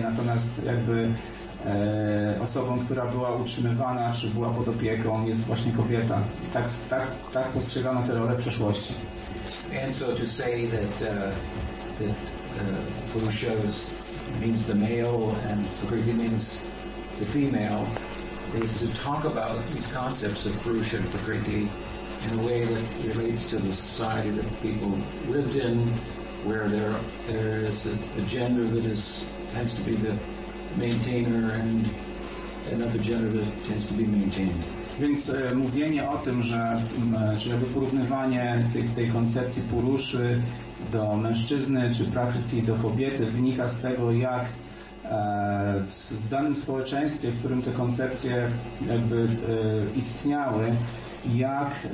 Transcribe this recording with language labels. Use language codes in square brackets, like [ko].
[pl] Natomiast jakby osobą, która była utrzymywana czy była pod opieką, jest właśnie kobieta. Tak postrzegano te role w przeszłości. [en] And so to say that Pusha means the male and Pukriti means the female is to talk about these concepts of Pusha and Pukriti in a way that relates to the society that people lived in, where there is a gender that is tends to be the maintainer and another gender that tends to be maintained. [pl] Więc mówienie o tym, że porównywanie tej koncepcji Puruszy do mężczyzny czy Prakriti do kobiety wynika z tego, jak w danym społeczeństwie, w którym te koncepcje jakby istniały, jak